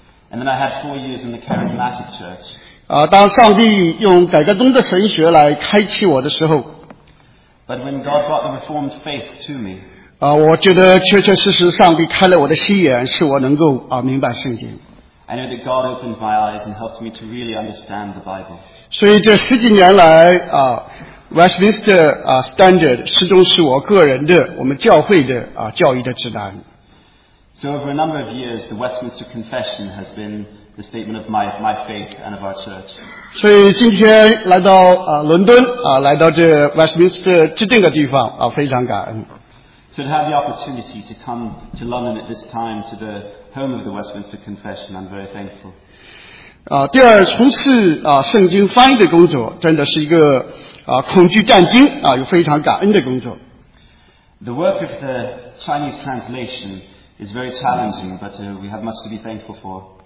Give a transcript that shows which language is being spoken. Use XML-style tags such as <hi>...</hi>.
<en>And then I had 4 years in the Charismatic Church.</en> <zh>当上帝用改革宗的神学来开启我的时候，</zh> <en>But when God brought the Reformed faith to me,</en> <zh>我觉得确确实实上帝开了我的心眼，使我能够 明白圣经。</zh> <en>I know that God opened my eyes and helped me to really understand the Bible.</en> <zh>所以这十几年来， Westminster Standard 始终是我个人的，我们教会的 教义的指南。</zh> <en>So over a number of years, the Westminster Confession has been the statement of my faith and of our church.</en> <zh>所以今天来到 伦敦， 来到这 Westminster 制定的地方， 非常感恩。</zh> <en>So to have the opportunity to come to London at this time to the home of the Westminster Confession, I'm very thankful.</en> <zh>第二，从事 圣经翻译的工作，真的是一个 恐惧战惊， 又非常感恩的工作。</zh> <en>The work of the Chinese translation is very challenging, but we have much to be thankful for.</en>